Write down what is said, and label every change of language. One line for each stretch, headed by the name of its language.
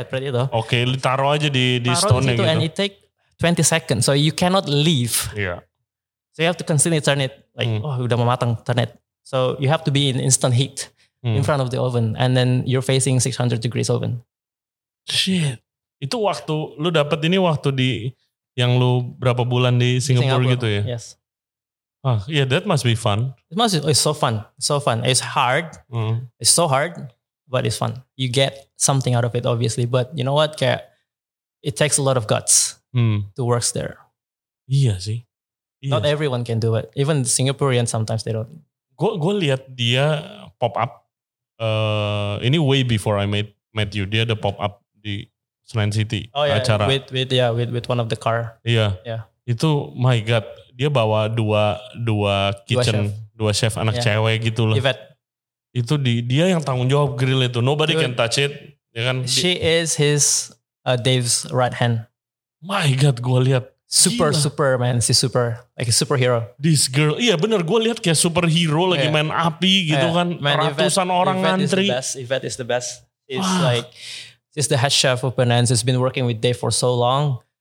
Indonesian: Flatbread itu. Okay, lu taruh aja di stone gitu.
English: And it take 20 seconds, so you cannot leave. Yeah. So you have to constantly turn it. Like,
Indonesian: udah mau matang,
English: turn it. So you have to be in instant heat in front of the oven, and then you're facing 600 degrees oven. Shit.
Indonesian: Itu waktu lu dapat ini waktu di yang lu berapa bulan di Singapura gitu ya?
English: Yes. Yeah, that must be fun. It's so fun. So fun. It's hard. It's so hard, but it's fun. You get something out of it, obviously. But you know what? It takes a lot of guts to work there.
Indonesian: Iya sih.
English: Yes. Not everyone can do it. Even Singaporean sometimes they don't.
Indonesian: Gue lihat dia
English: pop up. Ini way before I met you.
Indonesian: Dia ada pop up di Senayan City. Oh yeah, acara.
English: With one of the car.
Indonesian: Iya. Yeah.
English: Yeah.
Indonesian: Itu
English: my god.
Indonesian: Dia bawa dua kitchen, dua chef anak cewek gitu loh. Yvette. Itu dia yang tanggung jawab grill itu.
English: Nobody can touch it.
Indonesian: Ya kan?
English: She is his Dave's right hand. My god,
Indonesian: gue lihat.
English: Super, gila. Super man. She's super. Like a superhero. This girl.
Indonesian: Iya benar, gue lihat kayak superhero lagi main api gitu kan. Man, ratusan orang ngantri.
English: Yvette is the best. It's like, she's the head chef of Penance. She's been working with Dave for so long.